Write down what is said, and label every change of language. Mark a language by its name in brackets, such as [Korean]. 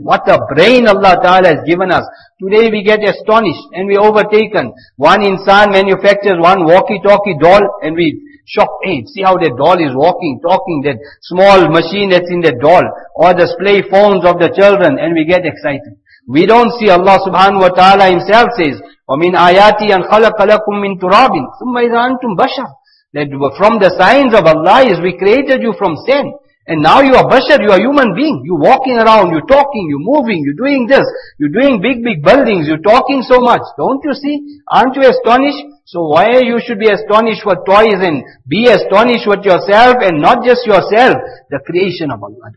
[English] What a brain Allah Ta'ala has given us. Today we get astonished and we overtaken. One insan manufactures one walkie-talkie doll and we shock, hey, see how that doll is walking, talking, that small machine that's in that doll. Or display phones of the children and we get excited. We don't see Allah subhanahu wa ta'ala himself says, [Arabic] وَمِنْ آيَاتِ أَنْ خَلَقَ لَكُمْ مِنْ تُرَابٍ ثُمَّ إِذَا أَنْتُمْ بَشَرٌ. [English] That from the signs of Allah is we created you from sand. And now you are bashar, you are human being. You walking around, you talking, you moving, you doing this. You doing big, big buildings, you talking so much. Don't you see? Aren't you astonished? So why you should be astonished for toys and be astonished with yourself and not just yourself, the creation of Allah.